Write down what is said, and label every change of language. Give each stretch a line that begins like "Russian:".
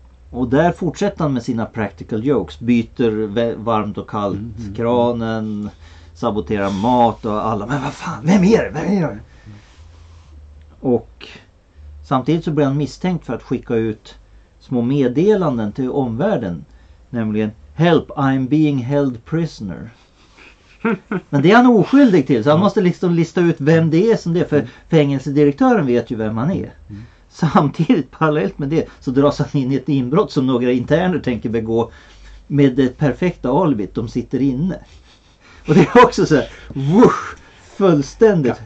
Swedish: Och där fortsätter han med sina
English: practical jokes.
Swedish: Byter varmt och kallt kranen. Saboterar mat och alla. Men vad fan, vem är det? Och samtidigt så blir han misstänkt för att skicka ut små meddelanden till omvärlden. Nämligen,
English: help, I'm being held prisoner.
Swedish: Men det är han oskyldig till. Så han måste liksom lista ut vem det är som det är. För fängelsedirektören vet ju vem han är. Samtidigt, parallellt med det, så dras han in i ett inbrott som några interner tänker begå. Med det perfekta alibit, de sitter inne. Och det är också så här, wush, fullständigt.